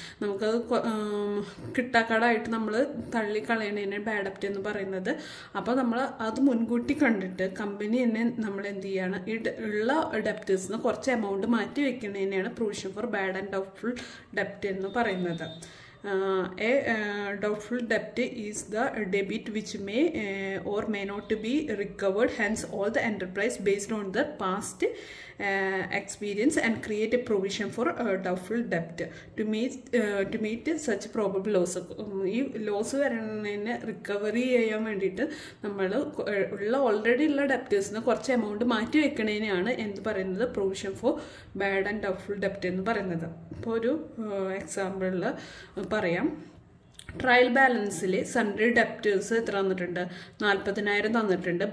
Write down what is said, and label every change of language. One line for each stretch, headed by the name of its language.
Malayalam: നമുക്ക് കിട്ടാക്കടമായിട്ട് നമ്മൾ തള്ളിക്കളയണേനെ ബാഡ് ഡെപ്റ്റ് എന്ന് പറയുന്നത്. അപ്പോൾ നമ്മൾ അത് മുൻകൂട്ടി കണ്ടിട്ട് കമ്പനി തന്നെ നമ്മൾ എന്ത് ചെയ്യാണ്, ഈ ഉള്ള ഡെപ്റ്റേഴ്സിന് കുറച്ച് എമൗണ്ട് മാറ്റി വെക്കണേനെയാണ് provision for bad and doubtful ഡെപ്റ്റ് എന്ന് പറയുന്നത്.
English: A doubtful debt is the debit which may or may not be recovered. Hence, all the enterprise based on the past experience and create a provision for a doubtful debt to meet such probable loss.
Malayalam: ഈ loss വരണതിനെ recovery ചെയ്യാൻ വേണ്ടിയിട്ട് നമ്മൾ ഉള്ള already ഉള്ള ഡെപ്റ്റേഴ്സിന് കുറച്ച് amount മാറ്റി വെക്കണേനെയാണ് എന്ത് പറയുന്നത്, provision for bad and doubtful ഡെപ്റ്റ് എന്ന് പറയുന്നത്. ഇപ്പോൾ ഒരു എക്സാമ്പിളിൽ പറയാം, ട്രയൽ ബാലൻസിൽ സൺഡ്രി ഡെപ്റ്റേഴ്സ് എത്ര തന്നിട്ടുണ്ട്, 40,000 തന്നിട്ടുണ്ട്.